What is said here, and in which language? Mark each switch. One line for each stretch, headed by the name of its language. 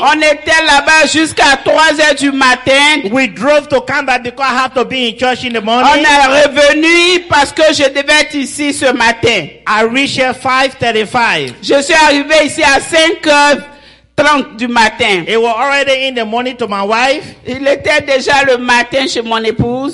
French: On était là-bas jusqu'à 3 heures du matin.
English: We drove to Canada because I have to be in church in the morning.
French: On est revenu parce que je devais être ici ce matin.
English: I reached here 5:35.
French: Je suis arrivé ici à 5:30 du matin.
English: It was already in the morning to my wife.
French: Il était déjà le matin chez mon épouse.